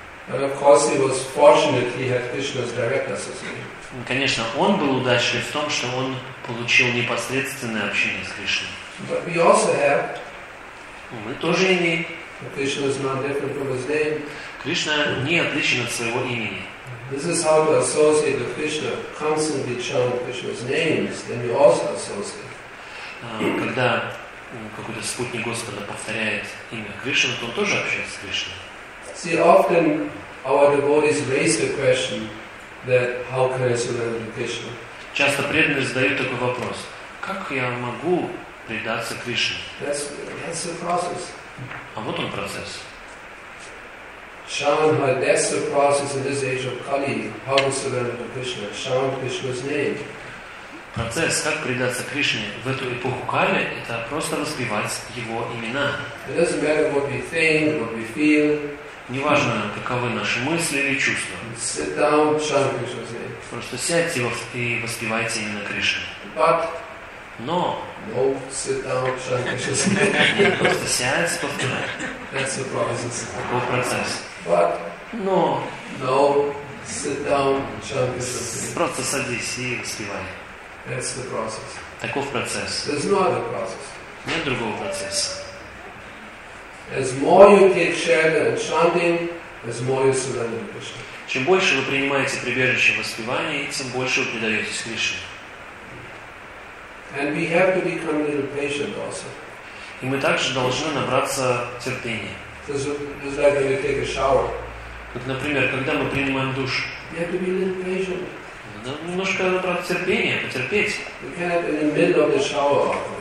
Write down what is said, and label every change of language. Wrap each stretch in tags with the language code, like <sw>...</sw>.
<en>And of course, he was fortunate he had Krishna's direct association.</en> <ru>Конечно, он был удачлив в том, что он получил непосредственное общение с Кришной.</ru> <en>But we also have.</en> <ru>Мы тоже имеем.</ru> <en>Krishna is not different from his name.</en> <ru>Кришна не отличен от своего имени.</ru> <en>This is how to associate with Krishna, constantly chant Krishna's names, then you also associate.</en> <ru>Когда какой-то спутник Господа повторяет имя Кришны, то он тоже общается с Кришной.</ru> <en>See, often our devotees raise the question that how can I surrender to Krishna?</en> <ru>Часто преданные задают такой вопрос: как я могу предаться Кришне?</ru> <en>That's the process.</en> <ru>А вот он процесс.</ru> <en>Chant, that's the process in this age of Kali. How to surrender to Krishna? Chant Krishna's name.</en> <ru>Процесс, как предаться Кришне в эту эпоху Кали, это просто распевать его имена.</ru> <en>It doesn't matter what we think, what we feel.</en> <ru>Неважно, каковы наши мысли или чувства.</ru> <en>Sit down, chant Krishna's name.</en> <ru>Просто сядьте и воспевайте именно Кришну.</ru> <en>But no. No, sit down, chant Krishna's name.</en> <ru>Нет, просто сядь и повторяй.</ru> <en>That's the process.</en> <ru>Такой процесс.</ru> <en>But no. No, sit down, chant Krishna's name.</en> <ru>Просто садись и воспевай.</ru> <en>That's the process.</en> <ru>Таков процесс.</ru> <en>There's no other process.</en> <ru>Нет другого процесса.</ru> <en>As more you take shelter and chanting, as more you surrender to Krishna.</en> <ru>Чем больше вы принимаете прибежище в воспевании, тем больше вы предаетесь Кришне.</ru> <en>And we have to become a little patient also.</en> <ru>И мы также должны набраться терпения.</ru> <en>It's like when you take a shower.</en> <ru>Вот, например, когда мы принимаем душ.</ru> <en>You have to be a little patient.</en> <ru>Надо немножко набрать терпения, потерпеть.</ru> <en>You can't be in the middle of the shower.</en>